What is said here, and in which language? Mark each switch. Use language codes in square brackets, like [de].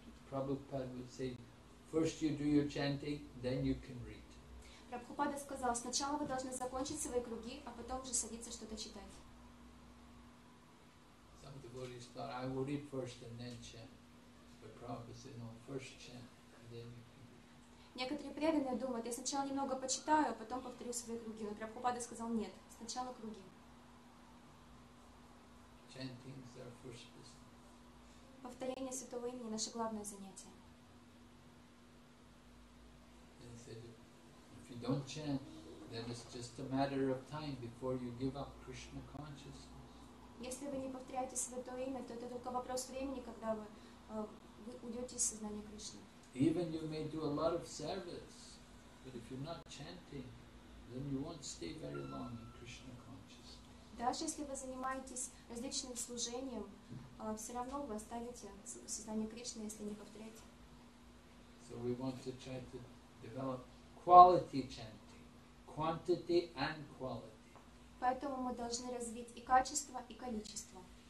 [en] Prabhupada would say, first you do your chanting, then you can read. [ru] Прабхупада сказал, сначала вы должны закончить свои круги, а потом уже садиться что-то читать. [en] Some devotees thought, I will read first and then chant. But Prabhupada said, no, first chant, and then you can read. [ru] Некоторые преданные думают, я сначала немного почитаю, а потом повторю свои круги. Но Прабхупада сказал, нет, сначала круги. [en] Chanting is our first business. [ru] Повторение Святого Имени – наше главное занятие. [en] And he said, if you don't chant, then it's just a matter of time before you give up Krishna consciousness. [ru] Если вы не повторяете Святое Имя, то это только вопрос времени, когда вы уйдете из сознания Кришны. [en] Even you may do a lot of service, but if you're not chanting, then you won't stay very long in Krishna consciousness. [ru] Даже если вы занимаетесь различным служением, все равно вы оставите сознание Кришны, если не повторяете. [en] So we want to try to develop quality chanting, quantity and quality. [ru] Поэтому мы должны развить и качество, и количество.